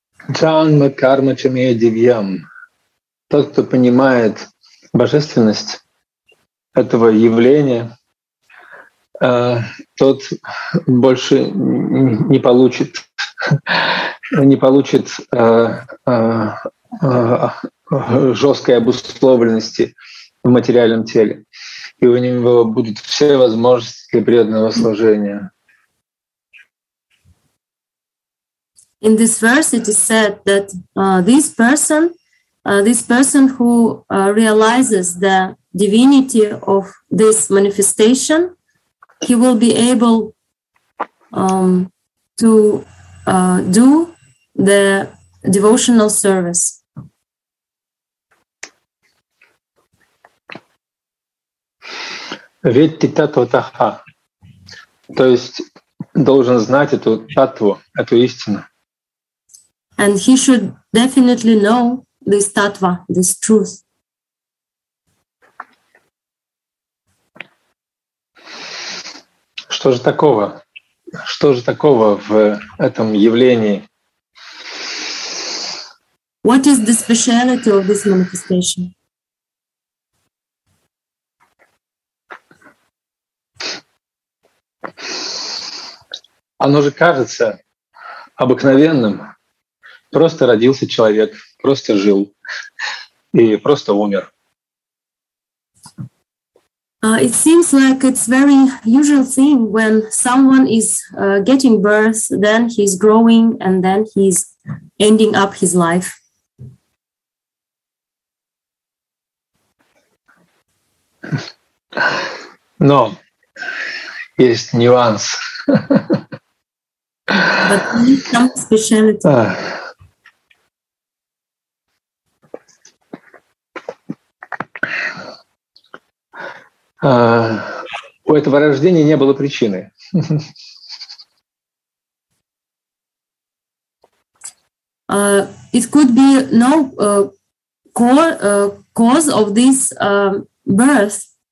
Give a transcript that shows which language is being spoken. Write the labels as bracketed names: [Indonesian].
[Sanskrit] Джанма карма чамея дивьям. [Russian] Тот, кто понимает божественность этого явления, тот больше не получит жесткой обусловленности в материальном теле. И у него будут все возможности для преданного служения. [English] In this verse it is said that this person who realizes the divinity of this manifestation, he will be able to do the devotional service. [Sanskrit] Ветти таттва таха. [Russian] То есть должен знать эту таттву, эту истину. [English] And he should definitely know this таттва, this truth. [Russian] Что же такого? Что же такого в этом явлении? [English] What is the speciality of this manifestation? [Russian] Оно же кажется обыкновенным. Просто родился человек, просто жил и просто умер. [English] It seems like it's very usual thing when someone is getting birth, then he's growing, and then he's ending up his life. [Russian] Но есть нюанс. [English] But some speciality. [Russian] У этого рождения не было причины. [English] It could be no cause of this birth.